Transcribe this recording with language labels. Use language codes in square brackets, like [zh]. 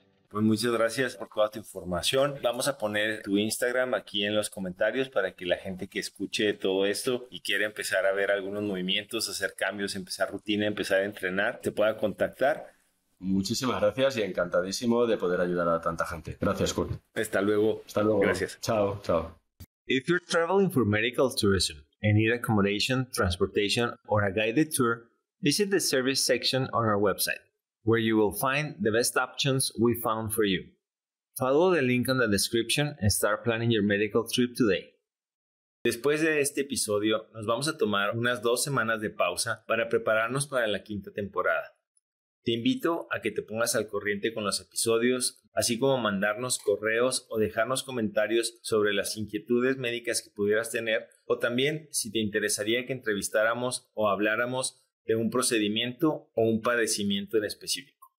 [es] Pues muchas gracias por toda tu información. Vamos a poner tu Instagram aquí en los comentarios para que la gente que escuche todo esto y quiera empezar a ver algunos movimientos, hacer cambios, empezar rutina, empezar a entrenar, te pueda contactar. Muchísimas gracias y encantadísimo de poder ayudar a tanta gente. Gracias, Kurt. Hasta luego. Hasta luego. Gracias. Chao, chao. [en] If you're traveling for medical tourism and need accommodation, transportation, or a guided tour, visit the service section on our website, where you will find the best options we found for you. Follow the link in the description and start planning your medical trip today. [es] Después de este episodio, nos vamos a tomar unas 2 semanas de pausa para prepararnos para la quinta temporada. Te invito a que te pongas al corriente con los episodios, así como mandarnos correos o dejarnos comentarios sobre las inquietudes médicas que pudieras tener, o también si te interesaría que entrevistáramos o habláramos de un procedimiento o un padecimiento en específico.